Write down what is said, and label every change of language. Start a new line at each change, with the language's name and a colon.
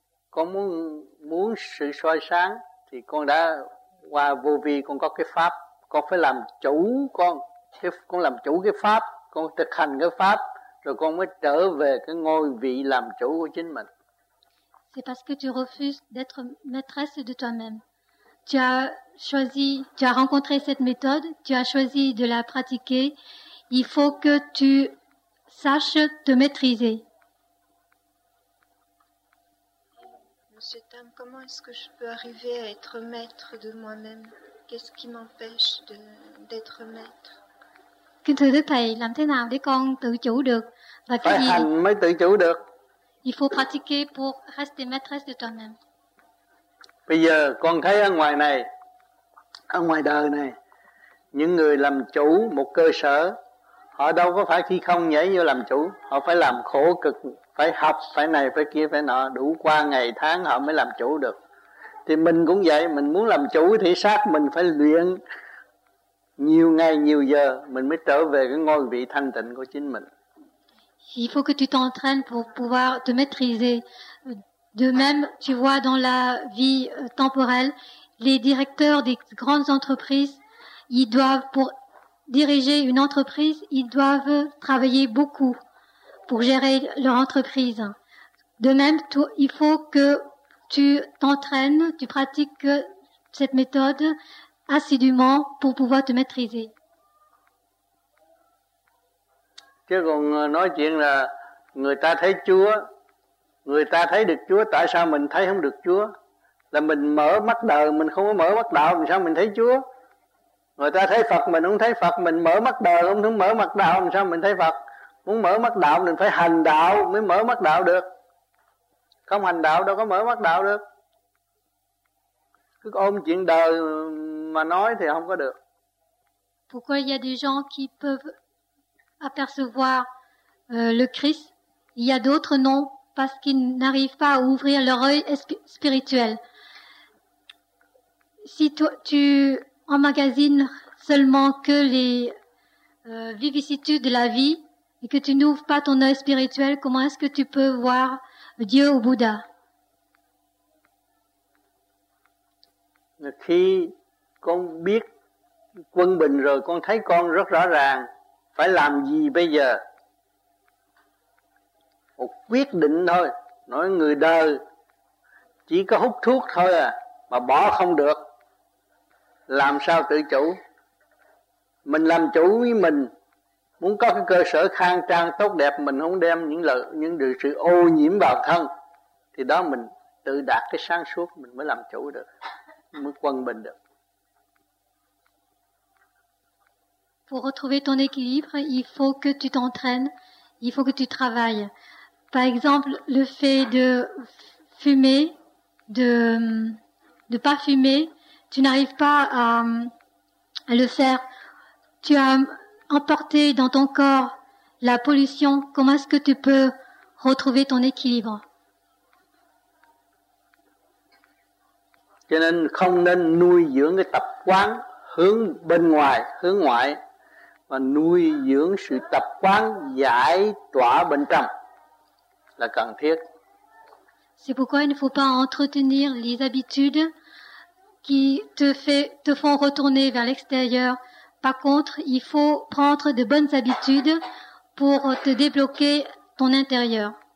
Vietnamese: Con muốn sự soi sáng thì con đã qua vô vi, con có cái pháp. Con phải làm chủ con làm chủ cái pháp, con thực hành cái pháp, rồi con mới trở về cái ngôi vị làm chủ của chính mình.
French: C'est parce que tu refuses d'être maîtresse de toi-même. Tu as choisi, tu as rencontré cette méthode, tu as choisi de la pratiquer. Il faut que tu saches te maîtriser. Monsieur Tam, comment est-ce que je peux arriver à être maître de moi-même? Qu'est-ce qui m'empêche d'être maître?
Vietnamese: Kính thưa Đức Thầy, làm thế nào để con tự chủ được? Và phải cái hành gì mới tự chủ được.
French: Il faut pratiquer pour rester maîtresse de toi-même.
Vietnamese: Bây giờ con thấy ở ngoài này, ở ngoài đời này, những người làm chủ một cơ sở, họ đâu có phải khi không nhảy vô làm chủ. Họ phải làm khổ cực, phải học, phải này, phải kia, phải nọ, đủ qua ngày tháng họ mới làm chủ được. Thì mình cũng vậy, mình muốn làm chủ thì xác mình phải luyện nhiều ngày nhiều giờ, mình mới trở về cái ngôi vị thanh tịnh của chính mình.
French: Il faut que tu t'entraînes pour pouvoir te maîtriser. De même, tu vois dans la vie temporelle, les directeurs des grandes entreprises, ils doivent, pour diriger une entreprise, ils doivent travailler beaucoup pour gérer leur entreprise. De même, il faut que tu t'entraînes, tu pratiques cette méthode assidûment pour pouvoir te maîtriser.
Vietnamese: Chứ còn nói chuyện là người ta thấy Chúa, người ta thấy được Chúa, tại sao mình thấy không được Chúa? Là mình mở mắt đời, mình không có mở mắt đạo, làm sao mình thấy Chúa? Người ta thấy Phật, mình không thấy Phật, mình mở mắt đời, không mở mắt đạo, làm sao mình thấy Phật? Muốn mở mắt đạo, mình phải hành đạo mới mở mắt đạo được. Không hành đạo đâu có mở mắt đạo được. Cứ ôm chuyện đời mà nói thì không có được.
French: Pourquoi il y a des gens qui peuvent apercevoir le Christ, il y a d'autres non, parce qu'ils n'arrivent pas à ouvrir leur œil spirituel. Si tu emmagasines seulement que les vicissitudes de la vie et que tu n'ouvres pas ton œil spirituel, comment est-ce que tu peux voir Dieu ou Bouddha?
Vietnamese: Khi con biết quân bình rồi, con thấy con rất rõ ràng. Phải làm gì bây giờ? Một quyết định thôi. Nói người đời chỉ có hút thuốc thôi à, mà bỏ không được. Làm sao tự chủ? Mình làm chủ với mình. Muốn có cái cơ sở khang trang tốt đẹp, mình không đem những sự ô nhiễm vào thân, thì đó mình tự đạt cái sáng suốt, mình mới làm chủ được, mới quân bình được.
French: Pour retrouver ton équilibre, il faut que tu t'entraînes, il faut que tu travailles. Par exemple, le fait de fumer, de pas fumer, tu n'arrives pas à le faire. Tu as emporté dans ton corps la pollution. Comment est-ce que tu peux retrouver ton équilibre?
Vietnamese: Cho nên không nên nuôi dưỡng cái tập quán hướng bên ngoài, hướng ngoại. Và nuôi dưỡng sự tập quán giải tỏa bên trong là cần thiết.
French: C'est pourquoi il ne faut pas entretenir les habitudes qui te font retourner vers l'extérieur. Par contre, il faut prendre de bonnes habitudes pour te débloquer ton intérieur.